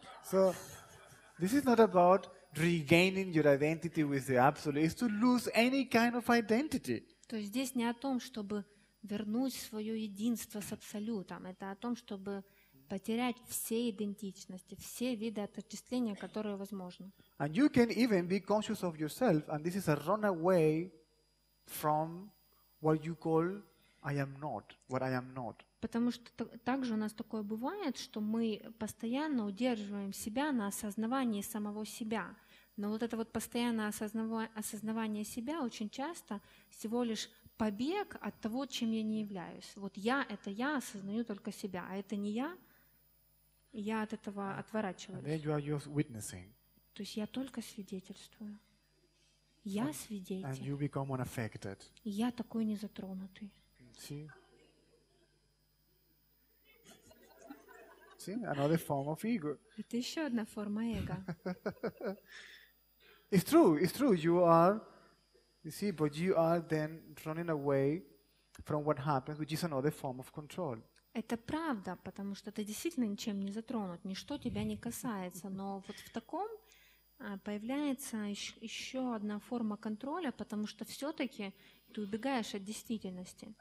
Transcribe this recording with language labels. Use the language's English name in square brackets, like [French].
[English] So, this is not about regaining your identity with the absolute. It's to lose any kind of identity. [Russian] То есть здесь не о том, чтобы вернуть свое единство с абсолютом. Это о том, чтобы потерять все идентичности, все виды отождествления, которые возможны. [English] And you can even be conscious of yourself, and this is a runaway from what you call I am not what I am not. [Russian] Потому что также у нас такое бывает, что мы постоянно удерживаем себя на осознавании самого себя. Но вот это вот постоянное осознавание себя очень часто всего лишь побег от того, чем я не являюсь. Вот я — это я осознаю только себя, а это не я, я от этого отворачиваюсь. [English] And then you are just witnessing. [Russian] То есть я только свидетельствую. Я свидетель. [English] And you become unaffected. [Russian] Я такой незатронутый. [English] See? See? Another form of ego. [Russian] Это еще одна форма эго. [English] It's true. You see, but you are then running away from what happens, which is another form of control. [Russian] Это правда, потому что ты действительно ничем не затронут, ничто тебя не касается. Но вот в таком появляется еще одна форма контроля, потому что все-таки ты убегаешь от действительности.